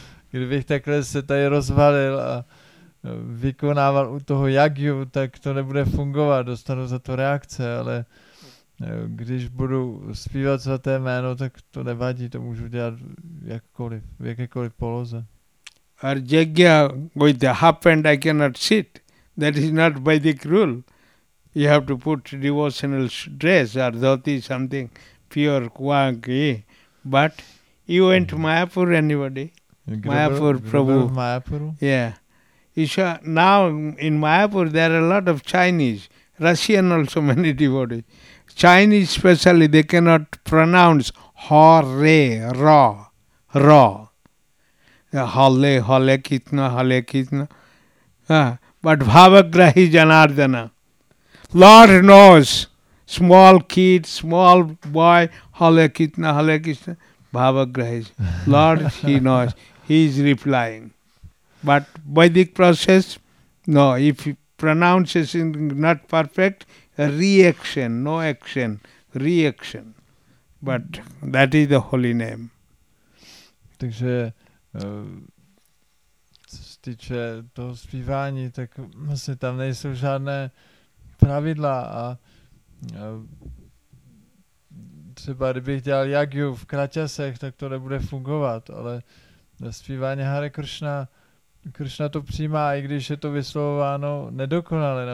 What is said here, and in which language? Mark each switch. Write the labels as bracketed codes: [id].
[cs] Kdybych takhle se tady rozvalil a vykonával u toho jagyu, tak to nebude fungovat, dostanu za to reakce, ale když budu zpívat svaté jméno, tak to nevadí, to můžu dělat jakkoliv, v jakékoliv poloze. [en] Or jagya with the half hand I cannot sit. That is not Vedic rule. You have to put devotional dress or dhoti, something pure kwanki. But you went to Mayapur, anybody? Mayapur, Prabhu. Mayapur? Yeah. Now in Mayapur, there are a lot of Chinese, Russian also many devotees. Chinese especially, they cannot pronounce hore, ra, ra. Hale, hale kitna, hale kitna. But bhavagrahi janardana. Lord knows. Small kid, small boy, hale kitna, bhava grahis. Lord, he knows, he is replying. But Vedic process, no, if he pronounces it not perfect, reaction, no action, reaction. But that is the holy name. [cs] Takže, co se týče toho zpívání, tak vlastně tam nejsou žádné pravidla a třeba kdybych dělal jagyu v kraťasech, tak to nebude fungovat, ale zpívání Hare Krishna, Krishna to přijímá, i když je to vyslovováno nedokonale.